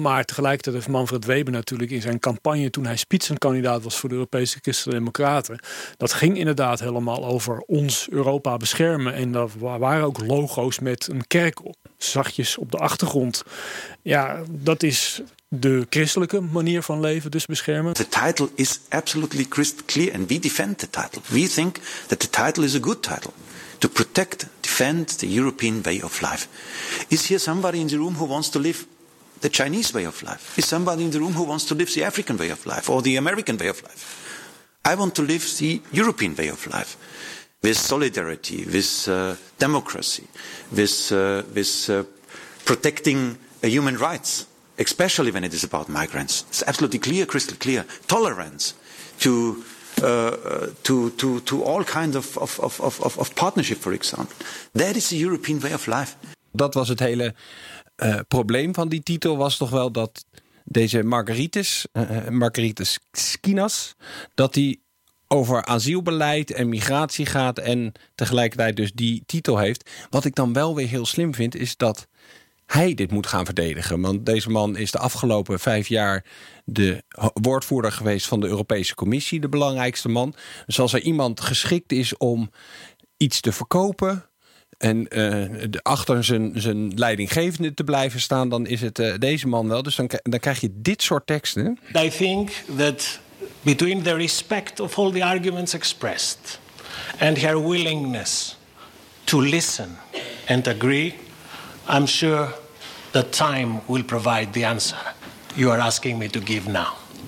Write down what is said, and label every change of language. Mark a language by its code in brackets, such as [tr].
[nl] Maar tegelijkertijd heeft Manfred Weber natuurlijk in zijn campagne, toen hij spitsenkandidaat was voor de Europese Christendemocraten, dat ging inderdaad helemaal over ons Europa beschermen. En er waren ook logo's met een kerk zachtjes op de achtergrond. Ja, dat is de christelijke manier van leven dus beschermen. [en] The title is absolutely crisp clear and we defend the title. We think that the title is a good title. To protect, defend the European way of life. Is here somebody in the room who wants to live the Chinese way of life? Is somebody in the room who wants to live the African way of life or the American way of life? I want to live the European way of life. With solidarity, with democracy, with protecting human rights. Especially when it is about migrants. It's absolutely clear, crystal clear. Tolerance to all kinds of partnership, for example. That is the European way of life. [nl] Dat was het hele probleem van die titel. Was toch wel dat deze Margaritis Skinas, dat die over asielbeleid en migratie gaat en tegelijkertijd dus die titel heeft. Wat ik dan wel weer heel slim vind, is dat hij dit moet gaan verdedigen. Want deze man is de afgelopen 5 jaar de woordvoerder geweest van de Europese Commissie, de belangrijkste man. Dus als er iemand geschikt is om iets te verkopen en achter zijn leidinggevende te blijven staan, dan is het deze man wel. Dus dan krijg je dit soort teksten. [en] I think that between the respect of all the arguments expressed and her willingness to listen and agree, I'm sure that time will provide the answer you are asking me to give now.